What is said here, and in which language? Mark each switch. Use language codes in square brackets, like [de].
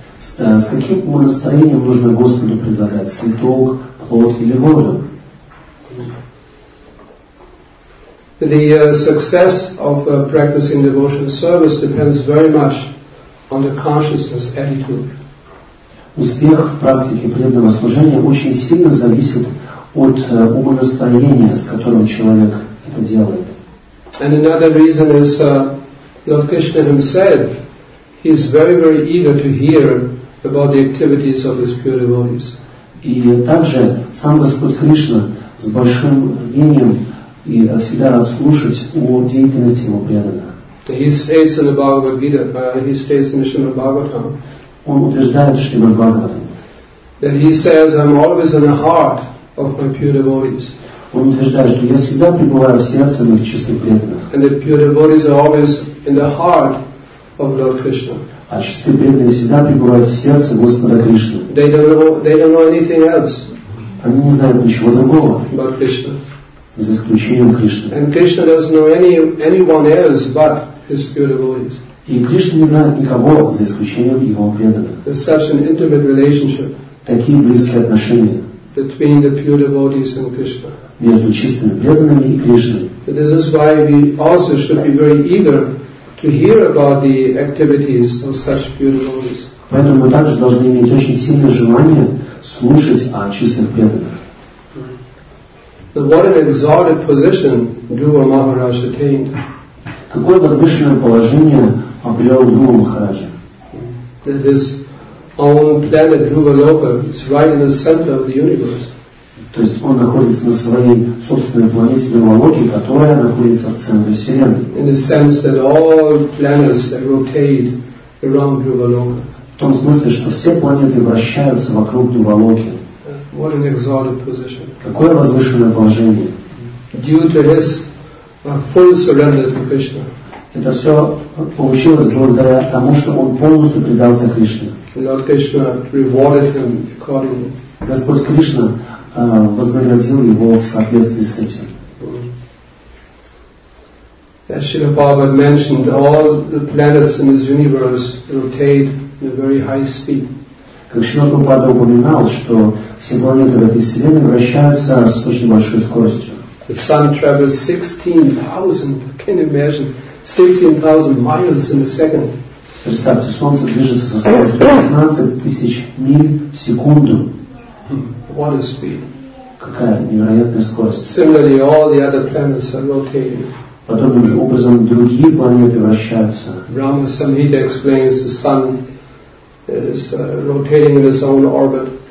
[ru] С каким умонастроением нужно Господу предлагать? Цветок, плод или воду? [en] The success of practicing devotional service depends very much on the consciousness attitude. [ru] Успех в практике преданного служения очень сильно зависит от умонастроения, с которым человек это делает. [en] And another reason is Lord Krishna himself, he is very, very eager to hear about the activities of his pure devotees. [ru] И также сам Господь Кришна с большим рвением и всегда рад слушать о деятельности его преданных. [en] He states in the Bhagavad Gita, he states in the Srimad Bhagavatam. [ru] Он утверждает, что Шримад Бхагаватам. [en] That he says, I'm always in the heart of my pure devotees. [ru] Он утверждает, что я всегда пребываю в сердце моих чистых преданных. [en] And the pure devotees are always in the heart of Lord Krishna. [ru] А чистые преданные всегда пребывают в сердце Господа Кришны. [en] They don't know anything else. [ru] Они не знают ничего другого. [en] But Krishna. [ru] За исключением Кришны. [en] And Krishna doesn't know anyone else but his pure devotees. [ru] И Кришна не знает никого, за исключением его преданных. [en] There's such an intimate relationship. [ru] Такие близкие отношения. [en] Between the pure devotees and Krishna. [ru] Между чистыми преданными и Кришной. [en] But this is why we also should be very eager to hear about the activities of such pure devotees. [ru] Поэтому мы также должны иметь очень сильное желание слушать о чистых преданных. [en] But what an exalted position Dhruva Maharaj attained. [ru] Какое возвышенное положение обрел Дхрува Махараджа? [en] That his own planet Dhruva Loka is right in the center of the universe. [ru] То есть он находится на своей собственной планете Dhruva Loki, которая находится в центре Вселенной. [en] In the sense that all planets that rotate around Dhruva Loka. [ru] В том смысле, что все планеты вращаются вокруг Dhruva Loki. [en] What an exalted position. [ru] Какое возвышенное положение? [en] Due to his full surrender to Krishna. [ru] Это все получилось благодаря тому, что он полностью предался Кришне. [en] Lord Krishna rewarded him accordingly. [ru] Господь Кришна вознаградил его в соответствии с этим. [en] As Srila Prabhupada mentioned, all the planets in this universe rotate at a very high speed. [ru] Как Шрила Прабхупада упоминал, что все планеты в этой вселенной вращаются с очень большой скоростью. [en] The sun travels 16,000, can you imagine, 16,000 miles in a second. [ru] Представьте, солнце движется со скоростью 16,000 миль в секунду. [en] What a speed. [ru] Какая невероятная скорость. [en] Similarly, all the other planets are rotating. [ru] Подобным же образом другие планеты вращаются. [en] Rama Samhita explains the sun is rotating in its own orbit.